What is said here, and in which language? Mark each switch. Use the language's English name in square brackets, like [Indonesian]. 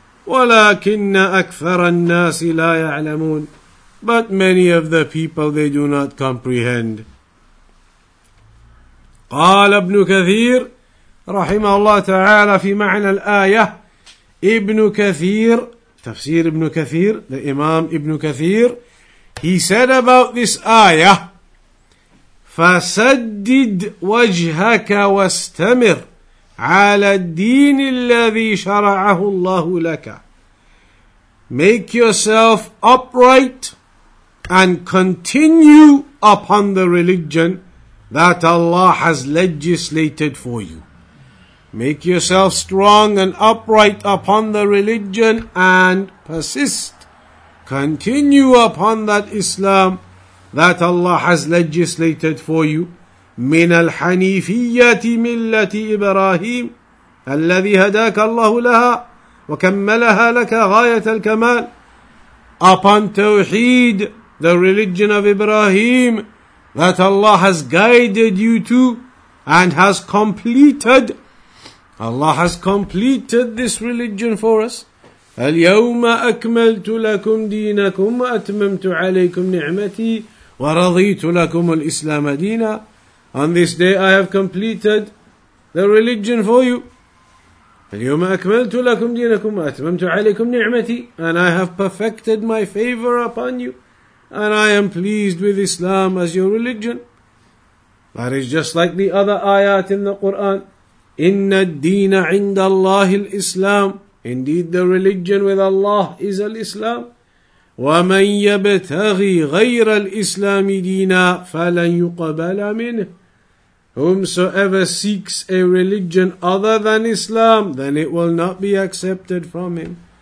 [Arabic] ولكن أكثر الناس لا يعلمون. [English] But many of the people, they do not comprehend. [Arabic] قال ابن كثير رحمه الله تعالى في معنى الآية. ابن كثير, تفسير ابن كثير, [English] the Imam [Arabic] ابن كثير, [English] he said about this ayah, [Arabic] فَسَدِّدْ وَجْهَكَ وَاسْتَمِرْ عَلَى الدِّينِ الَّذِي شَرَعَهُ اللَّهُ لَكَ. [English] Make yourself upright and continue upon the religion that Allah has legislated for you. Make yourself strong and upright upon the religion and persist. Continue upon that Islam that Allah has legislated for you. [Arabic] من الحنيفية ملة إبراهيم الذي هداك الله لها وكملها لك غاية الكمال. [English] Upon Tawheed, the religion of Ibrahim, that Allah has guided you to and has completed. Allah has completed this religion for us. [Arabic] اليوم أكملت لكم دينكم وأتممت عليكم نعمتي ورضيت لكم الإسلام دينا. [English] On this day I have completed the religion for you. [Arabic] اليوم أكملت لكم دينكم وأتممت عليكم نعمتي. [English] And I have perfected my favor upon you. And I am pleased with Islam as your religion. That is just like the other ayat in the Quran. [Arabic] إن الدين عند الله الإسلام. [English] Indeed, the religion with Allah is al-Islam. [Arabic] وَمَنْ يَبْتَغِي غَيْرَ الْإِسْلَامِ دِينًا فَلَنْ يُقَبَلَ مِنْهِ. [English] Whomsoever seeks a religion other than Islam, then it will not be accepted from him.